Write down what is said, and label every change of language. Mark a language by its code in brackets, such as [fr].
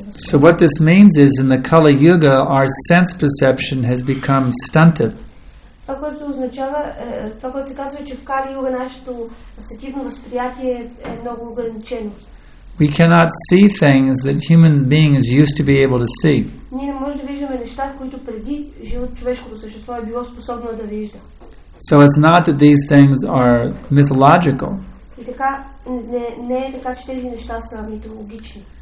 [en] So what this means is in the Kali Yuga our sense perception has become stunted. [bg] Това което означава, това което се казва, че в Кали Юга нашето сетивно възприятие е много ограничено. [en] We cannot see things that human beings used to be able to see. [bg] Ние не можем да виждаме неща, които преди живото човешкото същество е било способно да вижда. [en] So it's not that these things are mythological. [bg] И така не е така, че тези неща са митологични.